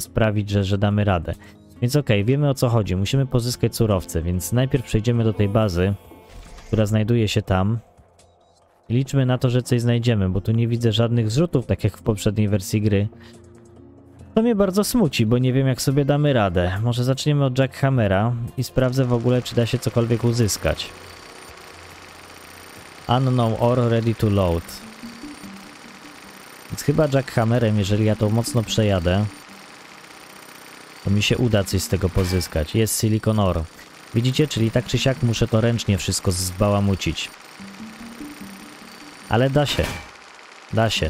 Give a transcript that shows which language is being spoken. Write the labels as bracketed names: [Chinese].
[Polish] Sprawić, że damy radę. Więc okej, wiemy, o co chodzi. Musimy pozyskać surowce, więc najpierw przejdziemy do tej bazy, która znajduje się tam. Liczmy na to, że coś znajdziemy, bo tu nie widzę żadnych zrzutów, tak jak w poprzedniej wersji gry. To mnie bardzo smuci, bo nie wiem, jak sobie damy radę. Może zaczniemy od jackhammera i sprawdzę w ogóle, czy da się cokolwiek uzyskać. [English] Unknown ore ready to load. [Polish] Więc chyba jackhammerem, jeżeli ja to mocno przejadę, to mi się uda coś z tego pozyskać. Jest silicon ore. Widzicie? Czyli tak czy siak muszę to ręcznie wszystko zbałamucić. Ale da się. Da się.